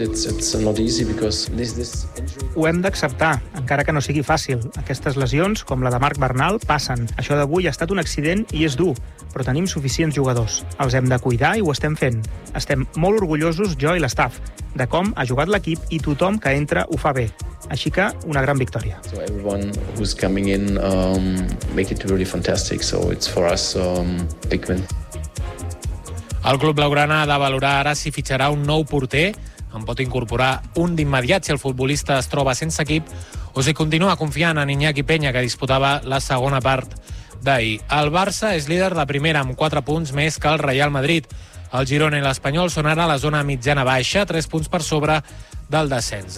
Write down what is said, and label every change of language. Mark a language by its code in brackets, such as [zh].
[en] It's not easy because this injury... [ca] Ho hem d'acceptar, encara que no sigui fàcil. Aquestes lesions, com la de Marc Bernal, passen. Això d'avui ha estat un accident i és dur, però tenim suficients jugadors. Els hem de cuidar i ho estem fent. Estem molt orgullosos, jo i l'staff, de com ha jugat l'equip i tothom que entra ho fa bé. Així que una gran victòria. [en] So everyone who's coming in make it really fantastic, so it's for us big win. [ca] El club blaugrana ha de valorar ara si fitxarà un nou porter, en pot incorporar un d'immediat si el futbolista es troba sense equip, o si continua confiant en Iñaki Peña, que disputava la segona part d'ahir. El Barça és líder de primera amb 4 punts més que el Real Madrid. El Girona i l'Espanyol són ara a la zona mitjana baixa, 3 punts per sobre del descens.